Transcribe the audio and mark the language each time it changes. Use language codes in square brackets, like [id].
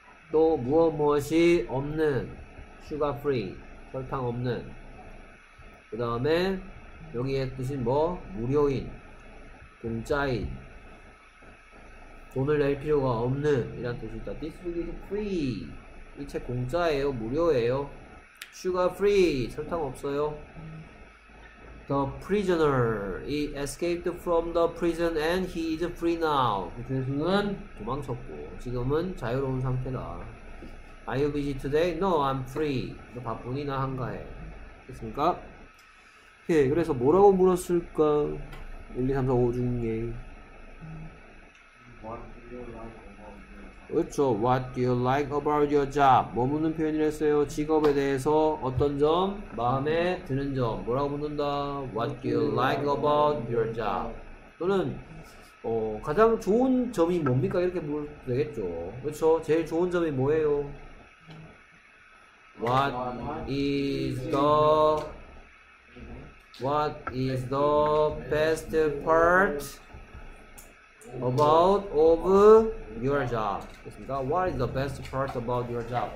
[ko] 또 무엇무엇이 없는 sugar free 설탕 없는 그 다음에 여기에 뜻인 뭐 무료인 공짜인 돈을 낼 필요가 없는 이란 뜻이 있다. [en] This book is free. [ko] 이 책 공짜예요 무료예요. sugar free 설탕 없어요. [en] The prisoner he escaped from the prison and he is free now. [ko] 그 죄수는 도망쳤고 지금은 자유로운 상태다. [en] Are you busy today? No, I'm free. [ko] 너 바쁘니? 나 한가해. 됐습니까? 예, 그래서 뭐라고 물었을까? 1, 2, 3, 4, 5 중에. [en] What do you like about the [ko] 그렇죠. [en] What do you like about your job? [ko] 뭐 묻는 표현을 했어요? 직업에 대해서 어떤 점? 마음에 드는 점. 뭐라고 묻는다? [en] What do you like about your job? [ko] 또는 가장 좋은 점이 뭡니까? 이렇게 물어도 되겠죠. 그렇죠. 제일 좋은 점이 뭐예요? [en] What is the best part about of your job? [ko] 그렇습니까? [en] What is the best part about your job?